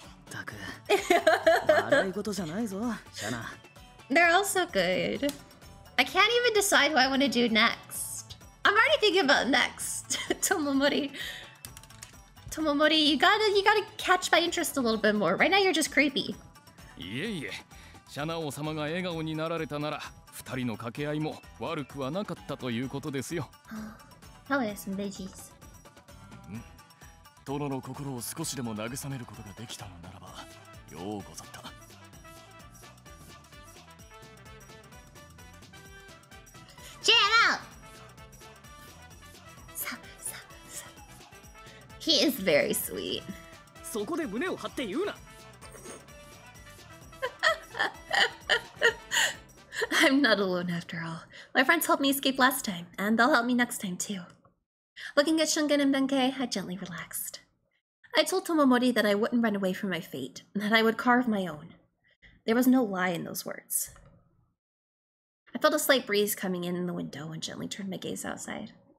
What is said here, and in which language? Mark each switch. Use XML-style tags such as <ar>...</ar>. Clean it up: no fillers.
<en>They're all so good. I can't even decide what I want to do next. I'm already thinking about next, Tomomori. Tomomori, you gotta catch my interest a little bit more. Right now, you're just creepy.</en> <ja>いえいえ、シャナ王様が笑顔になられたなら、二人の掛け合いも悪くはなかったということですよ。</ja> <en>How are some veggies?</en> <ja>トロの心を少しでも慰めることができたのならば、ようござった。</ja> <en>Cheer it out! He is very sweet.</en> <ja>そこで胸を張って言うな。</ja> <en>I'm not alone after all. My friends helped me escape last time, and they'll help me next time too. Looking at Shungen and Benkei, I gently relaxed. I told Tomomori that I wouldn't run away from my fate, and that I would carve my own. There was no lie in those words. I felt a slight breeze coming in the window and gently turned my gaze outside.</en>